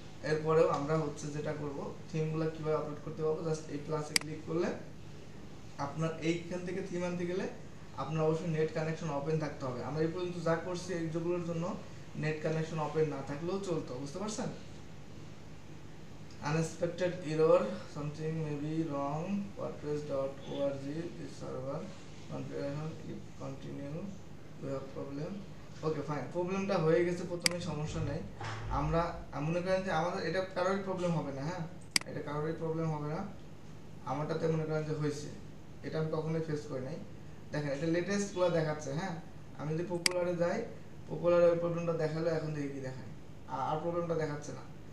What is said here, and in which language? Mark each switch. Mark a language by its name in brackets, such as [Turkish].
[Bangla] এরপরেও আমরা হচ্ছে যেটা করব, থিমগুলো কীভাবে আপলোড করতে পারবো, জাস্ট এই প্লাসে ক্লিক করলে আপনার এইখান থেকে থিম আনতে গেলে আপনার অবশ্যই নেট কানেকশন ওপেন থাকতে হবে। আমরা এই পর্যন্ত যা করছি এই যেগুলোর জন্য নেট কানেকশন ওপেন না থাকলেও চলতো, বুঝতে পারছেন? [English] Unexpected error, something may be wrong, wordpress.org, this server, configuration, keep continue, we have problem. Okay, fine, [Bangla] প্রবলেমটা হয়ে গেছে প্রথমে, সমস্যা নেই। আমরা মনে করেন যে আমাদের এটা কারোরই প্রবলেম হবে না, হ্যাঁ এটা কারোরই প্রবলেম হবে না, আমারটাতে মনে করেন যে হয়েছে, এটা আমি কখনোই ফেস করি নাই। দেখেন এটা লেটেস্টগুলো দেখাচ্ছে, হ্যাঁ আমি যদি পপুলারে যাই পপুলারে ওই প্রবলেমটা দেখালে এখন দেখি কি দেখায়, আর প্রবলেমটা দেখাচ্ছে না।